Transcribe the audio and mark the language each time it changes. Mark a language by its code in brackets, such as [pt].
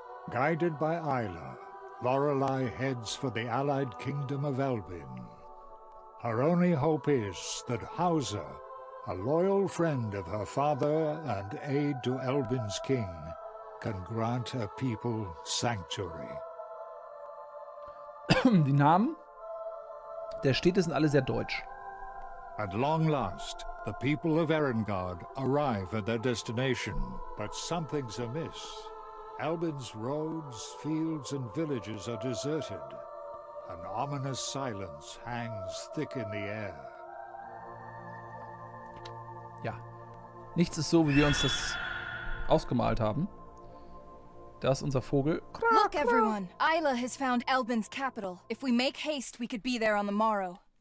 [en] Guided by Isla, Lorelei heads for the allied kingdom of Elbin. Her only hope is that Hauser, a loyal friend of her father and aid to Elbin's king, can grant her people sanctuary. [de] Die Namen der Städte sind alle sehr deutsch. [en] At long last, the people of Erengard arrive at their destination, but something's amiss. Elbin's roads, fields, and villages are deserted. An ominous silence hangs thick in the air. [de] Ja, nichts ist so, wie wir uns das ausgemalt haben. Da ist unser Vogel. [en] Look, everyone! Isla has found Elbin's capital. If we make haste, we could be there on the morrow.